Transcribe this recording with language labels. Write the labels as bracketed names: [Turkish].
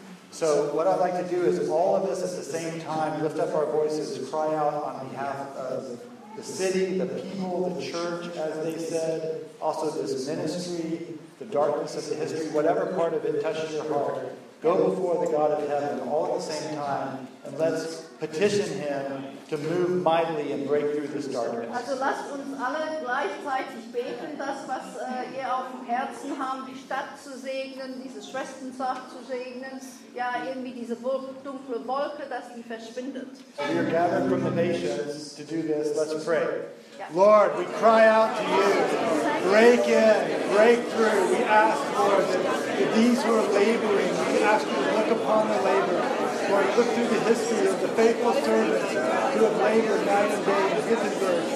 [English] So what I'd like to do is all of us at the same time lift up our voices and cry out on behalf of the city, the people, the church, as they said, also this ministry, the darkness of the history, whatever part of it touches your heart. Go before the God of heaven all at the same time, and let's petition him to move mightily and break through this darkness. [German] Also lasst uns alle gleichzeitig beten, das, was ihr auf dem Herzen haben, die Stadt zu segnen, diese Schwesternschaft zu segnen, ja, irgendwie diese dunkle Wolke, dass die verschwindet. [English] So we are gathered from the nations to do this. Let's pray. Lord, we cry out to you. Break in, break through. We ask, Lord, that these who are laboring, we ask you to look upon the labor. Lord, look through the history of the faithful servants who have labored night and day in Gettysburg.